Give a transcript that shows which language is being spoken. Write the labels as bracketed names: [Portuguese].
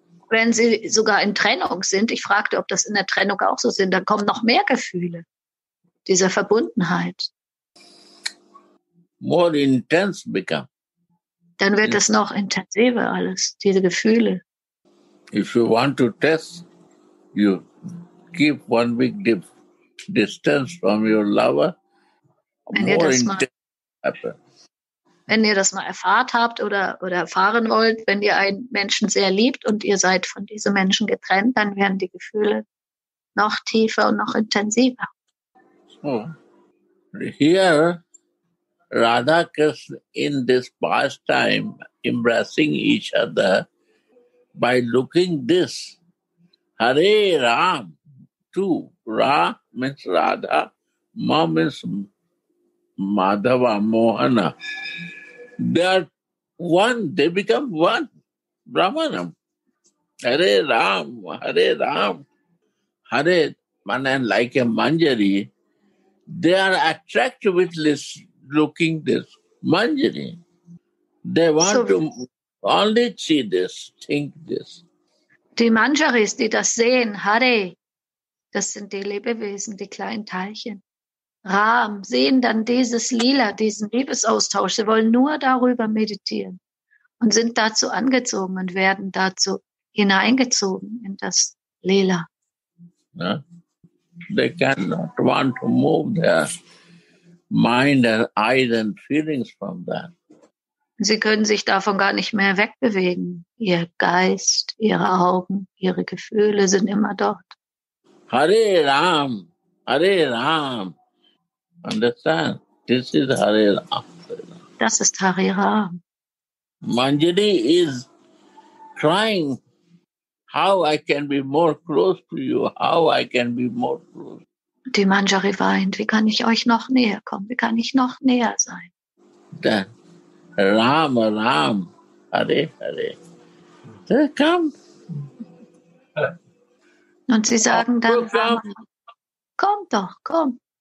[German] Wenn sie sogar in Trennung sind, ich fragte, ob das in der Trennung auch so sind, dann kommen noch mehr Gefühle dieser Verbundenheit. [English] More intense become. [German] Dann wird das noch intensiver alles, diese Gefühle. [English] If you want to test, you keep 1 week deep distance from your lover. [German] Wenn ihr das mal erfahrt habt oder erfahren wollt, wenn ihr einen Menschen sehr liebt und ihr seid von diesem Menschen getrennt, dann werden die Gefühle noch tiefer und noch intensiver. [English] So, here Radha Krishna in this pastime embracing each other by looking this Hare Ram too. Ra means Radha, Ma means Madhava, Mohana. They are one, they become one, Brahmanam. [Sanskrit] Hare Ram, Hare Ram. [English] Hare, manan, like a manjari, they are attracted with this, looking this, manjari. They want to only see this, think this. [German] Die Manjaris, die das sehen, Hare, das sind die Lebewesen, die kleinen Teilchen. Ram, sehen dann dieses Lila, diesen Liebesaustausch. Sie wollen nur darüber meditieren und sind dazu angezogen und werden dazu hineingezogen in das Lila. Ja. [English] They cannot want to move their mind and eyes and feelings from that. [German] Sie können sich davon gar nicht mehr wegbewegen. Ihr Geist, ihre Augen, ihre Gefühle sind immer dort. [English] Hare Ram, Hare Ram. Understand? This is Hare Ram. [German] Das ist Hare Ram. [English] Manjari is crying, how I can be more close to you, how I can be more close. [German] Die Manjari weint, wie kann ich euch noch näher kommen, wie kann ich noch näher sein? [English] Then, Ram, Ram, Hare, Hare. Then come. [German] Und sie sagen dann, Ram, komm doch, komm.